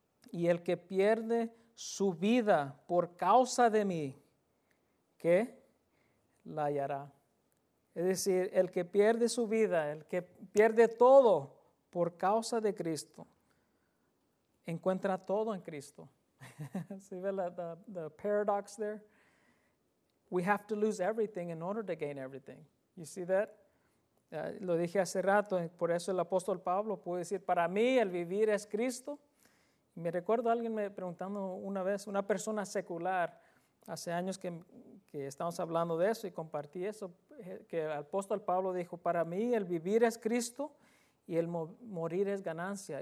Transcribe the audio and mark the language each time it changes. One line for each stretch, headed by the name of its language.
Spanish: Y el que pierde su vida por causa de mí, ¿qué? La hallará. Es decir, el que pierde su vida, el que pierde todo por causa de Cristo, encuentra todo en Cristo.
English: See the paradox there? We have to lose everything in order to gain everything. You see that?
Spanish: Lo dije hace rato, por eso el apóstol Pablo pudo decir, para mí el vivir es Cristo. Me recuerdo a alguien me preguntando una vez, una persona secular, hace años que estamos hablando de eso y compartí eso, que el apóstol Pablo dijo, para mí el vivir es Cristo y el morir es ganancia.